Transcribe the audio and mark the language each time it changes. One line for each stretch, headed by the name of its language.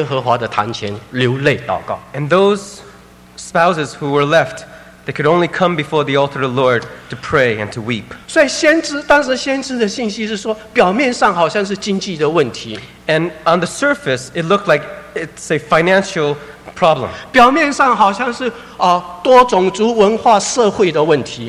Chinese: 这里讲到说，那些被离弃的犹太妻子无处可诉，只有来到耶和华的坛前流泪祷告。
English: And those spouses who were left, they could only come before the altar of the Lord to pray and to weep.
Chinese: 所以先知当时先知的信息是说，表面上好像是经济的问题。
English: And on the surface, it looked like it's a financial problem.
Chinese: 表面上好像是多种族文化社会的问题。